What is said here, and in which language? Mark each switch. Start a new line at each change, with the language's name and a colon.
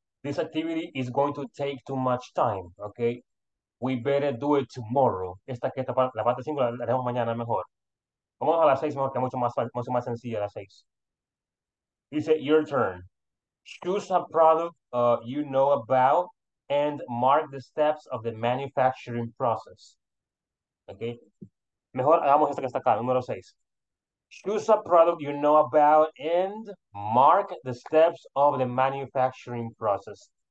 English: This activity is going to take too much time, okay? We better do it tomorrow.
Spanish: Esta parte, la parte 5 la dejamos mañana mejor. Vamos a las 6 mejor, que es mucho más sencilla la 6. Dice,
English: your turn. Choose a product you know about and mark the steps of the manufacturing process. Okay?
Spanish: Mejor hagamos esta que está acá, número 6.
English: Choose a product you know about and mark the steps of the manufacturing process.